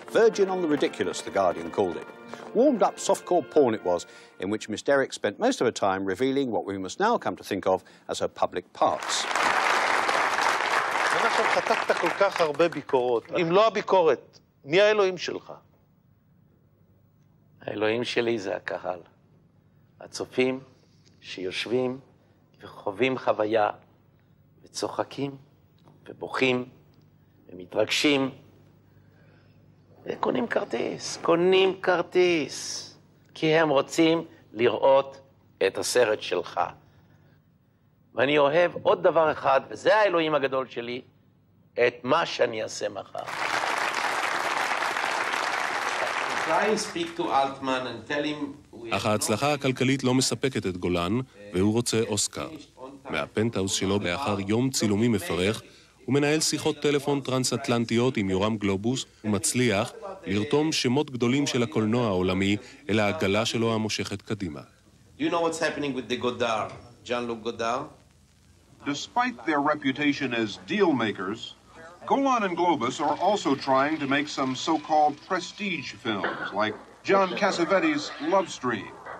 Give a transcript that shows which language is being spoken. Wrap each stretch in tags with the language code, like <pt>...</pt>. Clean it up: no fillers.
<en>Virgin on the ridiculous, The Guardian called it. Warmed up softcore porn it was, in which Miss Derrick spent most of her time revealing what we must now come to think of as her public parts.</en> <he>וצוחקים, ובוכים, ומתרגשים, וקונים כרטיס, קונים כרטיס, כי הם רוצים לראות את הסרט שלך. ואני אוהב עוד דבר אחד, וזה האלוהים הגדול שלי, את מה שאני אעשה מחר.</he> <en>If I speak to Altman and tell him...</en> <he>אך ההצלחה הכלכלית לא מספקת את גולן, והוא רוצה אוסקר. מהפנטהאוס שלו לאחר יום צילומי מפרך, הוא מנהל שיחות טלפון טרנס-אטלנטיות עם יורם גלובוס, ומצליח לרתום שמות גדולים של הקולנוע העולמי אל העגלה שלו המושכת קדימה.</he> <en>Do you know what's happening with the Godard, Jean-Luc Godard? Despite their reputation as deal makers, Golan and Globus are also trying to make some so-called prestige films, like John Cassavetes's Love Stream.</en>